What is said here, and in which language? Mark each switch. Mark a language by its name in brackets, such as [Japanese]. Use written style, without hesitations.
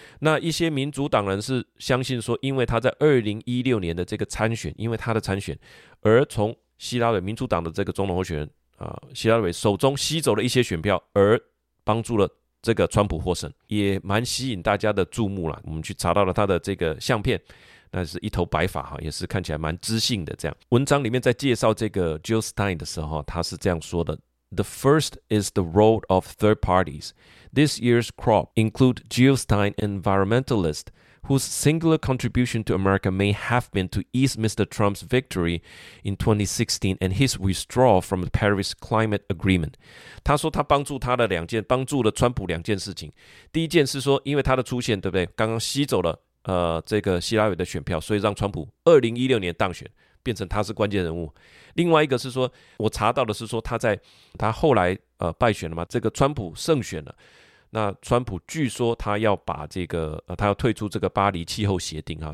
[Chinese] 那一些民主党人是相信说，因为他在2016年的这个参选，因为他的参选而从希拉蕊民主党的这个总统候选人希拉蕊手中吸走了一些选票，而帮助了这个川普获胜，也蛮吸引大家的注目啦。我们去查到了他的这个相片，那是一头白发，也是看起来蛮知性的。这样文章里面在介绍这个 Jill Stein 的时候，他是这样说的， [English] The first is the role of third partiesThis year's crop include Jill Stein, environmentalist, whose singular contribution to America may have been to ease Mr. Trump's victory in 2016 and his withdrawal from the Paris Climate Agreement. [Chinese] 他说他帮助他的两件，帮助了川普两件事情。第一件是说，因为他的出现，对不对？刚刚吸走了这个希拉蕊的选票，所以让川普2016年当选，变成他是关键人物。另外一个是说，我查到的是说他后来败选了嘛，这个川普胜选了，那川普据说他要把这个他要退出这个巴黎气候协定啊。